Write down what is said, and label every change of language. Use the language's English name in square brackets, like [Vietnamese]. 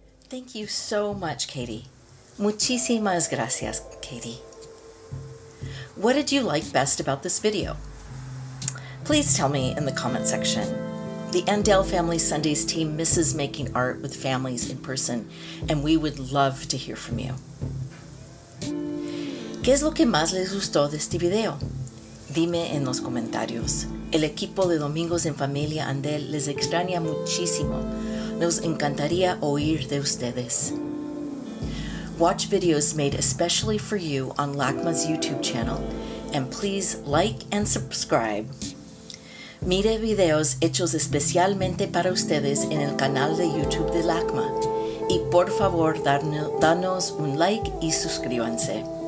[English] Thank you so much, Katy. [Spanish] Muchísimas gracias, Katy. [English] What did you like best about this video? Please tell me in the comment section. The Andell Family Sundays team misses making art with families in person, and we would love to hear from you. [Spanish] ¿Qué es lo que más les gustó de este video? Dime en los comentarios. El equipo de Domingos en Familia Andell les extraña muchísimo. Nos encantaría oír de ustedes. [English] Watch videos made especially for you on LACMA's YouTube channel, and please like and subscribe. [Spanish] Mire videos hechos especialmente para ustedes en el canal de YouTube de LACMA, y por favor danos un like y suscríbanse.